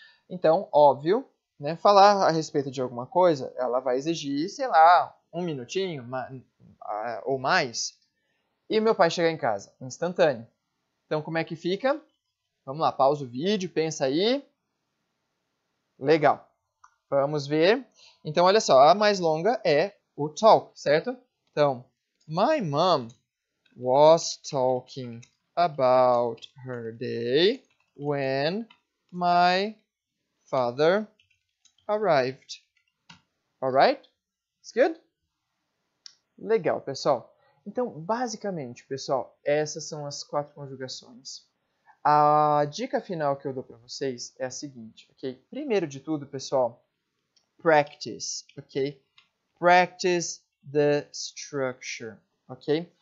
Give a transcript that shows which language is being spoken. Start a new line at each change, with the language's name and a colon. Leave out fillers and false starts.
Portuguese: Então, óbvio, né? Falar a respeito de alguma coisa, ela vai exigir, sei lá, um minutinho ou mais. E meu pai chegar em casa, instantâneo. Então, como é que fica? Vamos lá, pausa o vídeo, pensa aí. Legal. Vamos ver. Então, olha só, a mais longa é o talk, certo?
English: Então, my mom was talking about her day when my father arrived. Alright? It's good?
Portuguese: Legal, pessoal. Então, basicamente, pessoal, essas são as quatro conjugações. A dica final que eu dou para vocês é a seguinte, ok? Primeiro de tudo, pessoal, practice, ok?
English: Practice the structure, ok?